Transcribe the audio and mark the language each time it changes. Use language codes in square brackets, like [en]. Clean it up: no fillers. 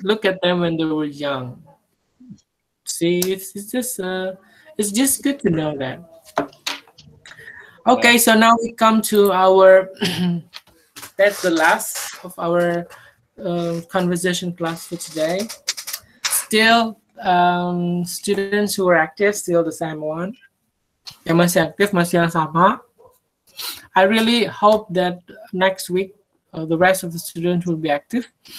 [en] Look at them when they were young. See, it's just good to know that. Okay, so now we come to our, that's the last of our conversation class for today. Still, students who are active, still the same one. [id] Yang masih aktif masih yang sama. [en] I really hope that next week the rest of the students will be active.